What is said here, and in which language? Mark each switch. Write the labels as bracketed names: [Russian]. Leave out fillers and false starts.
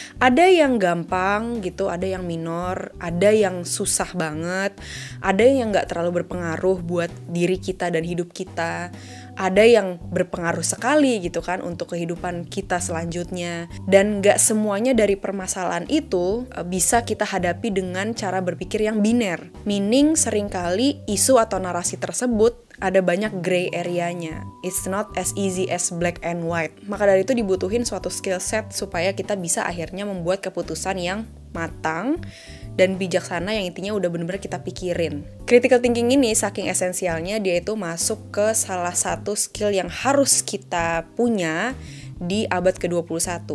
[Indonesian] Ada yang gampang gitu, ada yang minor, ada yang susah banget, ada yang gak terlalu berpengaruh buat diri kita dan hidup kita, ada yang berpengaruh sekali gitu kan untuk kehidupan kita selanjutnya. Dan gak semuanya dari permasalahan itu bisa kita hadapi dengan cara berpikir yang biner. Meaning seringkali isu atau narasi tersebut ada banyak gray area-nya. [English] It's not as easy as black and white. [Indonesian] Maka dari itu dibutuhin suatu skill set supaya kita bisa akhirnya membuat keputusan yang matang dan bijaksana yang intinya udah bener-bener kita pikirin. Critical thinking ini saking esensialnya dia itu masuk ke salah satu skill yang harus kita punya di abad ke-21.